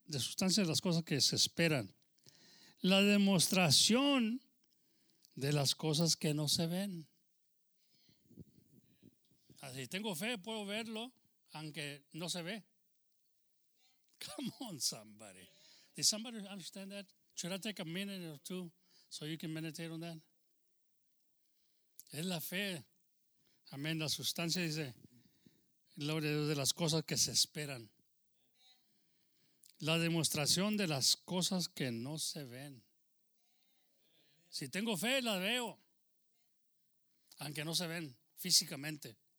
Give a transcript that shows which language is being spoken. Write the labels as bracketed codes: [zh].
[es] La sustancia de las cosas que se esperan. La demostración de las cosas que no se ven. Así tengo fe, puedo verlo, aunque no se ve. [en] Come on, somebody. Did somebody understand that? Should I take a minute or two so you can meditate on that? [es] Es la fe. Amén. La sustancia dice, gloria a Dios, de las cosas que se esperan. La demostración de las cosas que no se ven. Si tengo fe, la veo. Aunque no se ven físicamente.